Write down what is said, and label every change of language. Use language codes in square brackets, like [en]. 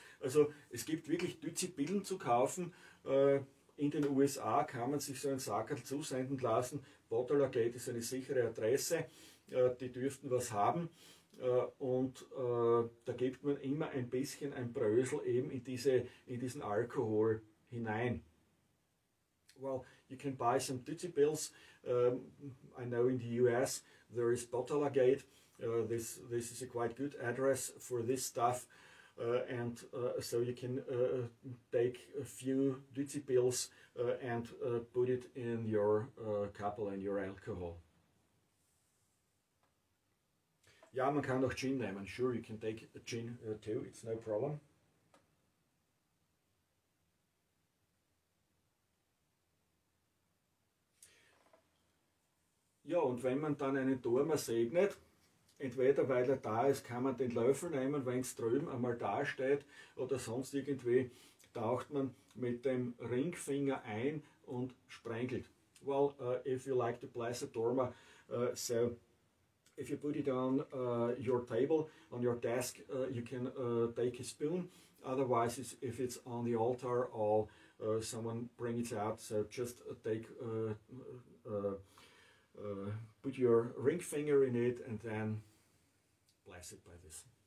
[de] Also, es gibt wirklich Düt-Zi-Pillen zu kaufen. In den USA kann man sich so einen Sackerl zusenden lassen. Bottler Gate ist eine sichere Adresse. Die dürften was haben. Da gibt man immer ein bisschen ein Brösel eben in diesen Alkohol hinein. [en] Well, you can buy some Düt-Zi pills. I know in the US there is Bottler Gate. This is a quite good address for this stuff. So you can take a few Düt-Zi pills and put it in your cup and your alcohol. [de] Ja, man kann auch Gin nehmen. [en] Sure, you can take a gin too. It's no problem. [de] Ja, und wenn man dann einen Dormer segnet, entweder weil er da ist, kann man den Löffel nehmen, wenn es drüben einmal dasteht, oder sonst irgendwie taucht man mit dem Ringfinger ein und sprenkelt. [en] Well, if you like to bless a Dormer, if you put it on your table, on your desk, you can take a spoon. Otherwise, if it's on the altar or someone bring it out, so just take, put your ring finger in it and then bless it by this.